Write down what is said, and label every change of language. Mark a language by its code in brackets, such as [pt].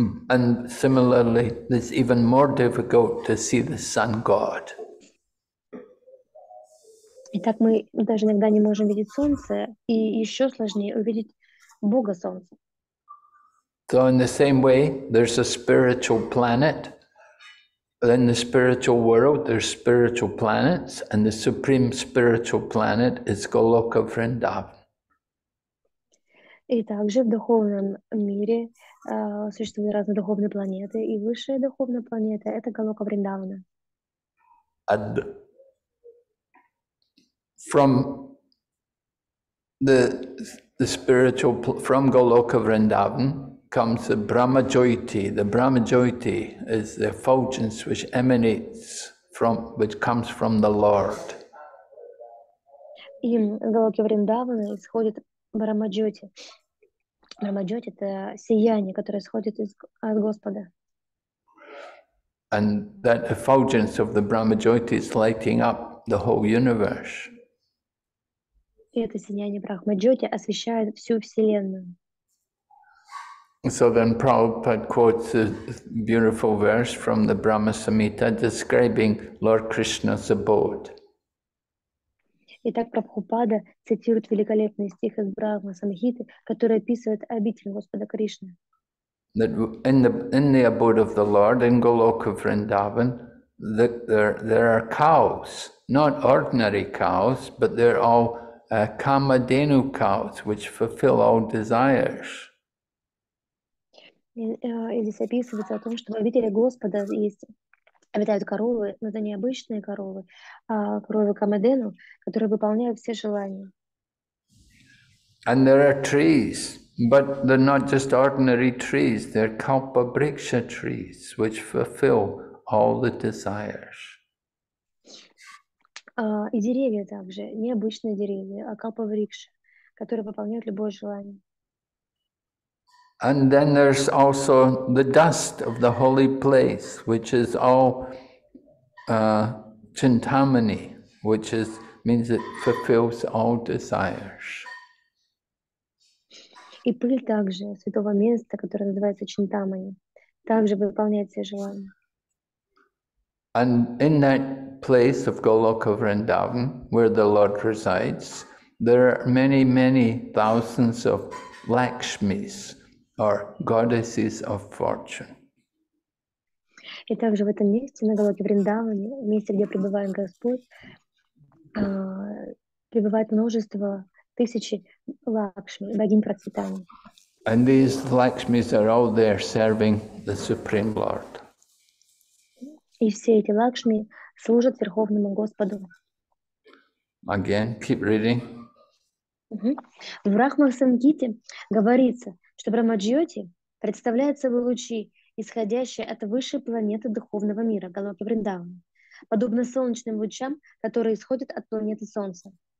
[en] And similarly, it's even more difficult to see the sun god. [ru] Итак, мы даже иногда не можем видеть солнце, и еще сложнее увидеть Бога солнца. [en] So in the same way, there's a spiritual planet. In the spiritual world, there's spiritual planets, and the supreme spiritual planet is Goloka Vrindavan. [ru] И также в духовном мире существуют разные духовные планеты, и высшая духовная планета — это Голока Вриндавана. [en] And from the spiritual, from Goloka Vrindavan comes the Brahma Jyoti. The Brahma Jyoti is the effulgence which emanates from, which comes from the Lord. [ru] И из Голоки Вриндавана исходит Брахма Джоти. Брахмаджоти — это сияние, которое исходит от Господа. [en] And that effulgence of the Brahmajyoti is lighting up the whole universe. [ru] И это сияние Брахмаджоти освещает всю вселенную. [en] So then Prabhupada quotes a beautiful verse from the Brahma Samhita describing Lord Krishna's abode. [ru] Итак, Прабхупада цитирует великолепный стих из Брахма Самхиты, который описывает обитель Господа Кришны. [en] In the abode of the Lord, in Goloka Vrindavan, there are cows, not ordinary cows, but they're all Kamadenu cows, which fulfill all desires. [ru] И здесь описывается о том, что в обители Господа есть обитают коровы, но это не обычные коровы, а коровы Камадену, которые выполняют все желания. [en] And there are trees, but they're not just ordinary trees, they're Kalpa Briksha trees, which fulfill all the desires. [ru] И деревья также, необычные деревья, акалпавриксы, которые выполняют любое желание. [en] And then there's also the dust of the holy place, which is all chintamani, which is means it fulfills all desires. [ru] И пыль также святого места, которое называется чинтамани, также выполняет все желания. [en] And in that place of Goloka Vrindavan, where the Lord resides, there are many, many thousands of Lakshmis, or goddesses of fortune. [ru] И также в этом месте, на Голоке Вриндаване, месте, где пребывает Господь, пребывает множество, тысячи Лакшми, богинь процветания. [en] And these Lakshmis are all there serving the Supreme Lord. [ru] И все эти Лакшми служат Верховному Господу. [en] Again, keep reading. [ru] В Брахма-сангите говорится, что Брахма-джьоти представляет собой лучи, исходящие от высшей планеты духовного мира, Голоки Вриндавана, подобно солнечным лучам, которые исходят от планеты Солнца.